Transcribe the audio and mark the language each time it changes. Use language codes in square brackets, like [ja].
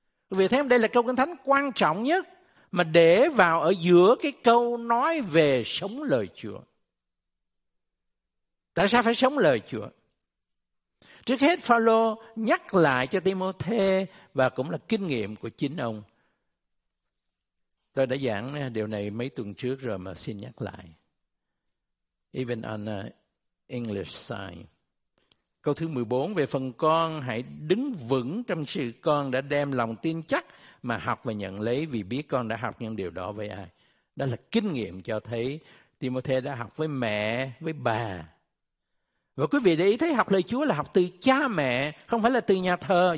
[vi] Vì thế đây là câu Kinh Thánh quan trọng nhất mà để vào ở giữa cái câu nói về sống lời Chúa. Tại sao phải sống lời Chúa? Trước hết Phaolô nhắc lại cho Timôthê và cũng là kinh nghiệm của chính ông. Tôi đã giảng điều này mấy tuần trước rồi mà xin nhắc lại. [en] Even on the English side. [vi] Câu thứ 14, về phần con, hãy đứng vững trong sự con đã đem lòng tin chắc mà học và nhận lấy, vì biết con đã học những điều đó với ai. Đó là kinh nghiệm cho thấy Timôthê đã học với mẹ, với bà. Và quý vị để ý thấy học lời Chúa là học từ cha mẹ, không phải là từ nhà thờ.